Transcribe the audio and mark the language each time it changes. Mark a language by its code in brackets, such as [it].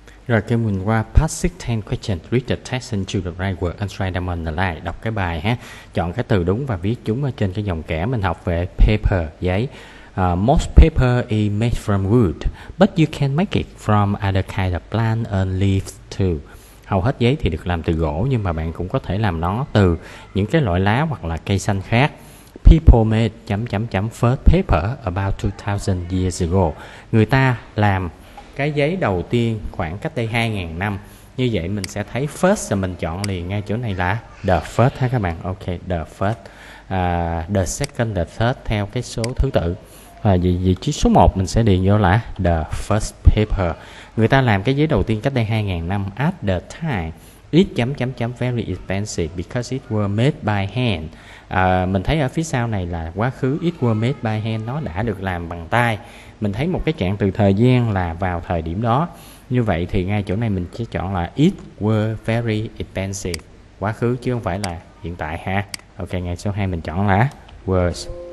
[vi] Rồi cái mình qua [en] part 16 question, read the text and choose the right word and try them on the line. [vi] Đọc cái bài ha, chọn cái từ đúng và viết chúng ở trên cái dòng kẽ mình học về paper, giấy. [en] Most paper is made from wood, but you can make it from other kind of plant and leaves too. [vi] Hầu hết giấy thì được làm từ gỗ, nhưng mà bạn cũng có thể làm nó từ những cái loại lá hoặc là cây xanh khác. [en] People made first paper about 2000 years ago. [vi] Người ta làm cái giấy đầu tiên khoảng cách đây 2000 năm. Như vậy mình sẽ thấy first là mình chọn liền ngay chỗ này là the first ha các bạn. Ok, the first. [en] The second, the third [vi] theo cái số thứ tự. Và vị trí số 1 mình sẽ điền vô là the first paper. Người ta làm cái giấy đầu tiên cách đây 2000 năm. [en] At the time, it very expensive because it was made by hand. [vi] Mình thấy ở phía sau này là quá khứ, [en] it was made by hand, [vi] nó đã được làm bằng tay. Mình thấy một cái trạng từ thời gian là vào thời điểm đó. Như vậy thì ngay chỗ này mình sẽ chọn là [en] it were very expensive. [vi] Quá khứ chứ không phải là hiện tại ha. Ok, ngay số 2 mình chọn là was.